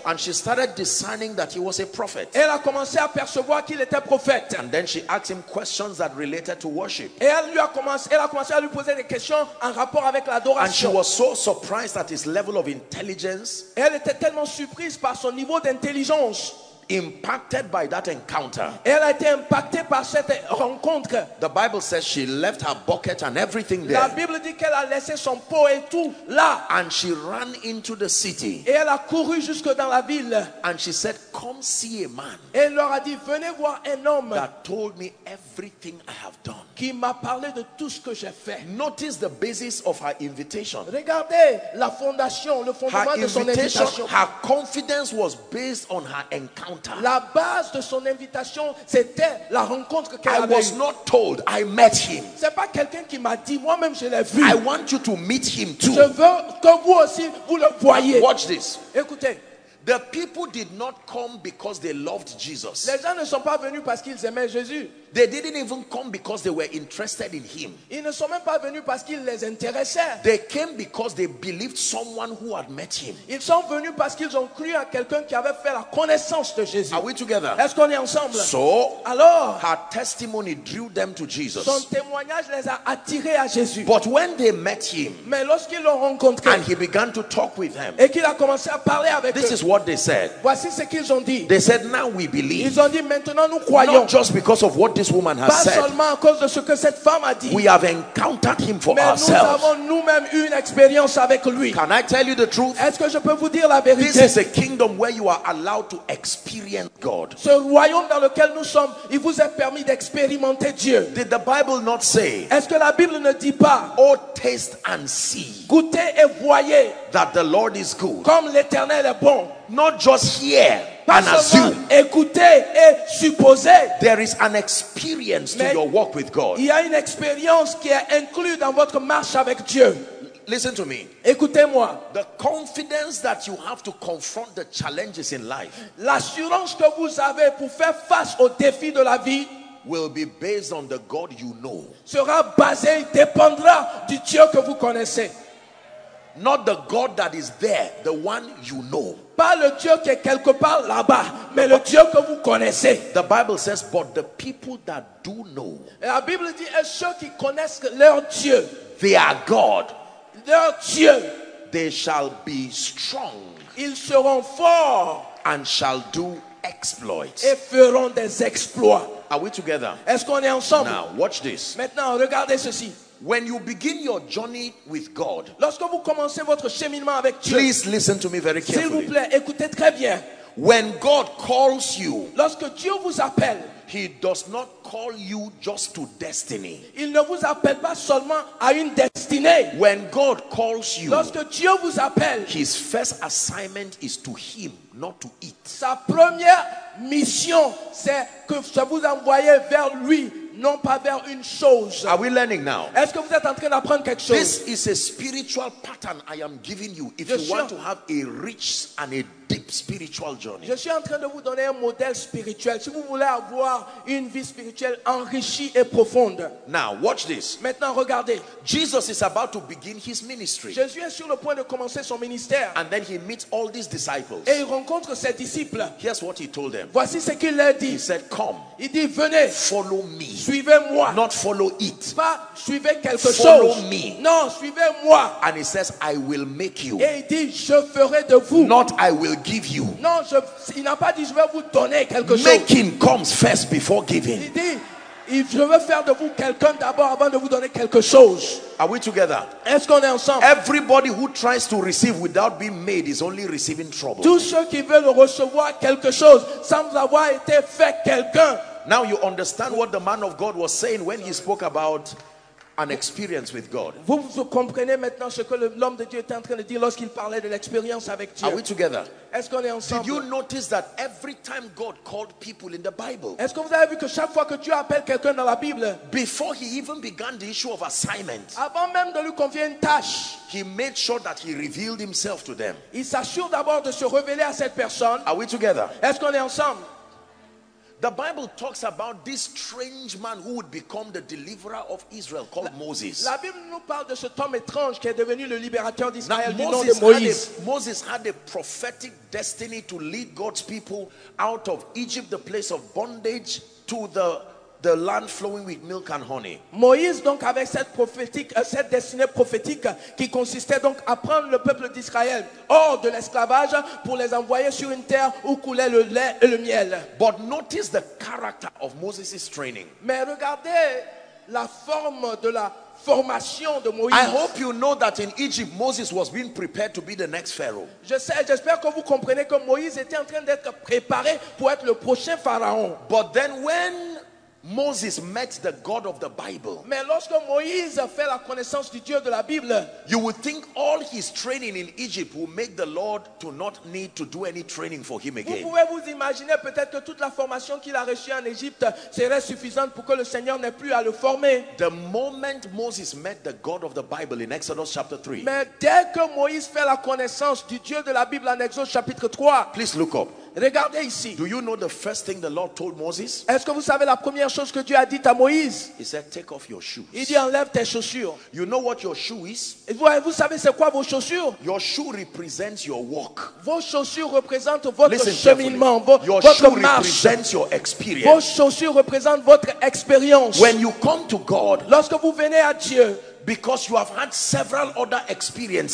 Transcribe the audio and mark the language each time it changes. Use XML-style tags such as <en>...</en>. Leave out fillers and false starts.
<en>And she started discerning that he was a prophet.</en> <fr>Elle a commencé à percevoir qu'il était prophète.</fr> <en>And then she asked him questions that related to worship.</en> <fr>Et elle a commencé à lui poser des questions en rapport avec l'adoration.</fr> <en>And she was so surprised at his level of intelligence.</en> <fr>Elle était tellement surprise par son niveau d'intelligence.</fr> <en>Impacted by that encounter.</en> <fr>Elle a été impactée par cette rencontre.</fr> <en>The Bible says she left her bucket and everything there.</en> <fr>La Bible dit qu'elle a laissé son pot et tout là.</fr> <en>And she ran into the city.</en> <fr>Et elle a couru jusque dans la ville.</fr> <en>And she said, come see a man.</en> <fr>Elle leur a dit, venez voir un homme.</fr> <en>That told me everything I have done.</en> <fr>Qui m'a parlé de tout ce que j'ai fait.</fr> <en>Notice the basis of her invitation.</en> <fr>Regardez la fondation, le fondement</fr> <en>her</en> <fr>de son invitation.</fr> <en>Her confidence was based on her encounter.</en> <fr>La base de son invitation, c'était la rencontre qu'elle avait.</fr> <en>I was not told, I met him.</en> <fr>C'est pas quelqu'un qui m'a dit, moi-même je l'ai vu.</fr> <en>I want you to meet him too.</en> <fr>Je veux que vous aussi vous le voyez.</fr> <en>Watch this.</en> <fr>Écoutez.</fr> <en>The people did not come because they loved Jesus.</en> <fr>Les gens ne sont pas venus parce qu'ils aimaient Jésus.</fr> <en>They didn't even come because they were interested in him.</en> <fr>Ils ne sont même pas venus parce qu'ils les intéressaient.</fr> <en>They came because they believed someone who had met him.</en> <fr>Ils sont venus parce qu'ils ont cru à quelqu'un qui avait fait la connaissance de Jésus.</fr> <en>Are we together?</en> <fr>Est-ce qu'on est ensemble?</fr> <en>So,</en> <fr>alors,</fr> <en>her testimony drew them to Jesus.</en> <fr>Son témoignage les a attirés à Jésus.</fr> <en>But when they met him,</en> <fr>mais lorsqu'ils l'ont rencontré,</fr> <en>and he began to talk with them,</en> <fr>et qu'il a commencé à parler avec</fr> <en>this</en> <fr>eux,</fr> <en>is what they said.</en> <fr>Voici ce qu'ils ont dit.</fr> <en>They said, now we believe.</en> <fr>Ils ont dit, maintenant nous croyons.</fr> <en>Not just because of what this woman has</en> <fr>pas</fr> <en>said.</en> <fr>Seulement à cause de ce que cette femme a dit.</fr> <en>We have encountered him for</en> <fr>mais nous</fr> <en>ourselves.</en> <fr>Avons nous-mêmes eu une expérience avec lui.</fr> <en>Can I tell you the truth?</en> <fr>Est-ce que je peux vous dire la vérité?</fr> <en>This is a kingdom where you are allowed to experience God.</en> <fr>Ce royaume dans lequel nous sommes, il vous est permis d'expérimenter Dieu.</fr> <en>Did the Bible not say?</en> <fr>Est-ce que la Bible ne dit pas?</fr> <en>Oh, taste and see.</en> <fr>Goûtez et voyez.</fr> <en>That the Lord is good.</en> <fr>Comme l'Éternel est bon.</fr> <en>Not just hear.</en> <fr>Pas</fr> <en>and assume.</en> <fr>Écouter et supposer.</fr> <en>There is an experience</en> <fr>mais</fr> <en>to your walk with God.</en> <fr>Il y a une expérience qui est inclue dans votre marche avec Dieu.</fr> <en>Listen to me.</en> <fr>Écoutez-moi.</fr> <en>The confidence that you have to confront the challenges in life.</en> <fr>L'assurance que vous avez pour faire face aux défis de la vie.</fr> <en>Will be based on the God you know.</en> <fr>Sera basé, dépendra du Dieu que vous connaissez.</fr> <en>Not the God that is there, the one you know.</en> <fr>Pas le Dieu qui est quelque part là-bas, mais le Dieu que vous connaissez.</fr> <en>The Bible says, but the people that do know.</en> <fr>La Bible dit, et ceux qui connaissent leur Dieu.</fr> <en>They are God.</en> <fr>Leur Dieu.</fr> <en>They shall be strong.</en> <fr>Ils seront forts.</fr> <en>And shall do exploits.</en> <fr>Et feront des exploits.</fr> <en>Are we together?</en> <fr>Est-ce qu'on est ensemble?</fr> <en>Now, watch this.</en> <fr>Maintenant, regardez ceci.</fr> <en>When you begin your journey with God,</en> <fr>lorsque vous commencez votre cheminement avec Dieu,</fr> <en>please listen to me very carefully.</en> <fr>S'il vous plaît, écoutez très bien.</fr> <en>When God calls you,</en> <fr>lorsque Dieu vous appelle,</fr> <en>He does not call you just to destiny.</en> <fr>Il ne vous appelle pas seulement à une destinée.</fr> <en>When God calls you,</en> <fr>lorsque Dieu vous appelle,</fr> <en>His first assignment is to Him, not to it.</en> <fr>Sa première mission, c'est que je vous envoie vers lui, non pas vers une chose.</fr> <en>Are we learning now?</en> <fr>Est-ce que vous êtes en train d'apprendre quelque chose?</fr> <en>This is a spiritual pattern I am giving you if you want to have a rich and a deep spiritual journey.</en> <fr>Je suis en train de vous donner un modèle spirituel si vous voulez avoir une vie spirituelle enrichie et profonde.</fr> <en>Now watch this.</en> <fr>Maintenant regardez.</fr> <en>Jesus is about to begin his ministry.</en> <fr>Jésus est sur le point de commencer son ministère.</fr> <en>And then he meets all these disciples.</en> <fr>Et il rencontre ses disciples.</fr> <en>Here's what he told them.</en> <fr>Voici ce qu'il leur dit.</fr> <en>He said, "Come."</en> <fr>Il dit, venez.</fr> <en>Follow me.</en> <fr>Suivez-moi.</fr> <en>Not follow it.</en> <fr>Pas suivez quelque</fr> <en>follow</en> <fr>chose.</fr> <en>Follow me.</en> <fr>Non, suivez-moi.</fr> <en>And he says, "I will make you."</en> <fr>Et il dit, je ferai de vous.</fr> <en>Not I will give you.</en> <fr>Non, il n'a pas dit je vais vous donner quelque chose.</fr> <en>Making comes first before giving.</en> <fr>Il dit, je veux faire de vous quelqu'un d'abord avant de vous donner quelque chose.</fr> <en>Are we together?</en> <fr>Est-ce qu'on est ensemble?</fr> <en>Everybody who tries to receive without being made is only receiving trouble.</en> <fr>Tous ceux qui veulent recevoir quelque chose sans avoir été fait quelqu'un.</fr> <en>Now you understand what the man of God was saying when he spoke about an experience with God.</en> <fr>Vous comprenez maintenant ce que l'homme de Dieu était en train de dire lorsqu'il parlait de l'expérience avec Dieu.</fr> <en>Are we together?</en> <fr>Est-ce qu'on est ensemble?</fr> <en>Did you notice that every time God called people in the Bible?</en> <fr>Est-ce que vous avez vu que chaque fois que Dieu appelle quelqu'un dans la Bible,</fr> <en>before he even began the issue of assignment,</en> <fr>avant même de lui confier une tâche,</fr> <en>he made sure that he revealed himself to them.</en> <fr>Il s'assure d'abord de se révéler à cette personne.</fr> <en>Are we together?</en> <fr>Est-ce qu'on est ensemble?</fr> <en>The Bible talks about this strange man who would become the deliverer of Israel called Moses.</en> <fr>La Bible nous parle de cet homme étrange qui est devenu le libérateur d'Israël.</fr> <en>Moses had a prophetic destiny to lead God's people out of Egypt, the place of bondage, to the land flowing with milk and honey.</en> <fr>Moïse donc avait cette destinée prophétique qui consistait donc à prendre le peuple d'Israël hors de l'esclavage pour les envoyer sur une terre où coulait le lait et le miel.</fr> <en>But notice the character of Moses' training.</en> <fr>Mais regardez la forme de la formation de Moïse.</fr> <en>I hope you know that in Egypt Moses was being prepared to be the next Pharaoh.</en> <fr>J'espère que vous comprenez que Moïse était en train d'être préparé pour être le prochain pharaon.</fr> <en>But then when Moses met the God of the Bible,</en> <fr>mais lorsque Moïse fait la connaissance du Dieu de la Bible,</fr> <en>you would think all his training in Egypt will make the Lord to not need to do any training for him again.</en> <fr>Vous pouvez vous imaginer peut-être que toute la formation qu'il a reçue en Égypte serait suffisante pour que le Seigneur n'ait plus à le former.</fr> <en>The moment Moses met the God of the Bible in Exodus chapter 3,</en> <fr>mais dès que Moïse fait la connaissance du Dieu de la Bible en Exode chapitre 3,</fr> <en>please look up.</en> <fr>Regardez ici.</fr> <en>Do you know the first thing the Lord told Moses?</en> <fr>Est-ce que vous savez la première chose que Dieu a dit à Moïse?</fr> <en>He said, "Take off your shoes."</en> <fr>Il dit, enlève tes chaussures.</fr> <en>You know what your shoe is?</en> <fr>Vous savez c'est quoi vos chaussures?</fr> <en>Your shoe represents your walk.</en> <fr>Vos chaussures représentent votre</fr> <en>Listen</en> <fr>cheminement,</fr> <en>carefully.</en> <fr>Votre</fr> <en>your</en> <fr>votre</fr> <en>shoe</en> <fr>marche.</fr> <en>Represents your experience.</en> <fr>Vos chaussures représentent votre expérience.</fr> <en>When you come to God,</en> <fr>lorsque vous venez à Dieu,</fr> <en>because you have had several other experiences,</en>